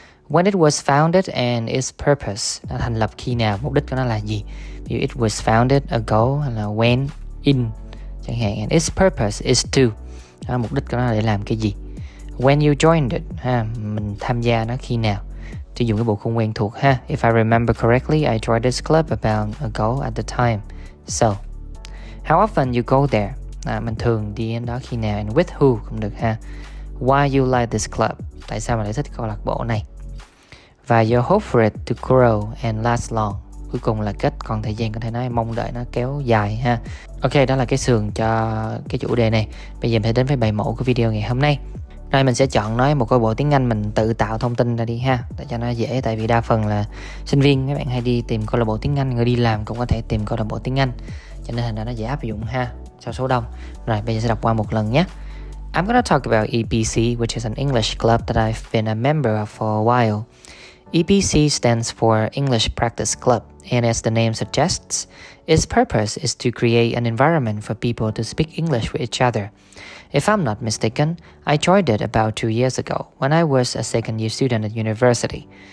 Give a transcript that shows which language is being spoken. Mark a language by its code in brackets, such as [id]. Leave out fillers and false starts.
[en] When it was founded and its purpose, [vi] nó thành lập khi nào, mục đích của nó là gì? Ví dụ, [en] it was founded ago, [vi] hay là when, in, chẳng hạn. [en] And its purpose is to, [vi] đó, mục đích của nó là để làm cái gì? [en] When you joined it, [vi] ha, mình tham gia nó khi nào? Sử dụng cái bộ khung quen thuộc ha. [en] If I remember correctly, I joined this club about ago at the time. So, how often you go there? [vi] À, mình thường đi đến đó khi nào? [en] And with who [vi] cũng được ha. [en] Why you like this club? [vi] Tại sao mà lại thích câu lạc bộ này? [en] Và your hope for it to grow and last long. [vi] Cuối cùng là kết còn thời gian có thể nói mong đợi nó kéo dài ha. Ok, đó là cái sườn cho cái chủ đề này. Bây giờ mình sẽ đến với bài mẫu của video ngày hôm nay. Rồi mình sẽ chọn nói một câu bộ tiếng Anh mình tự tạo thông tin ra đi ha. Để cho nó dễ, tại vì đa phần là sinh viên các bạn hay đi tìm câu lạc bộ tiếng Anh. Người đi làm cũng có thể tìm câu lạc bộ tiếng Anh. Cho nên hình ra nó dễ áp dụng ha, sau số đông. Rồi bây giờ sẽ đọc qua một lần nhé. [en] I'm gonna talk about EBC, which is an English club that I've been a member of for a while. EBC stands for English Practice Club, and as the name suggests, its purpose is to create an environment for people to speak English with each other. If I'm not mistaken, I joined it about 2 years ago when I was a second year student at university.